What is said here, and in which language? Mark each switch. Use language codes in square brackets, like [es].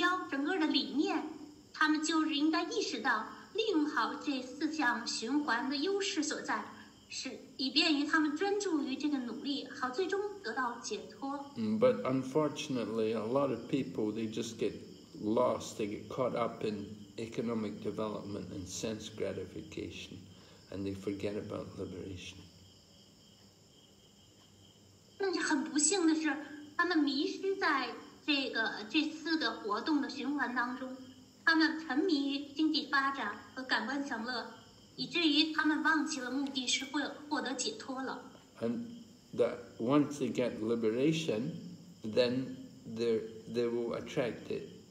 [zh] 整个的理念，他们就是应该意识到利用好这四项循环的优势所在，是以便于他们专注于这个努力，好最终得到解脱。 [en] But unfortunately, a lot of people they just get lost, they get caught up in economic development and sense gratification, and they forget about liberation. [zh] 但是很不幸的是，他们迷失在这次的活动的循环当中，他们沉迷于经济发展和感官享乐，以至于他们忘记了目的是获得解脱了。 [en] And that once they get liberation, then they will attract it.